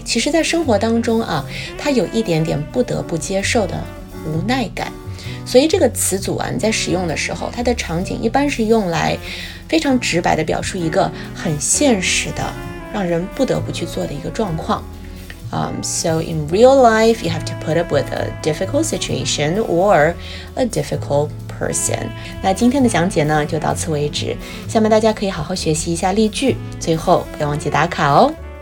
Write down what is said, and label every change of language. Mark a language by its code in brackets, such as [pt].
[zh] 其实在生活当中啊，它有一点点不得不接受的无奈感，所以这个词组啊，你在使用的时候，它的场景一般是用来非常直白的表述一个很现实的让人不得不去做的一个状况。 [en] So in real life, you have to put up with a difficult situation or a difficult person. [zh] 那今天的讲解呢，就到此为止。下面大家可以好好学习一下例句，最后不要忘记打卡哦。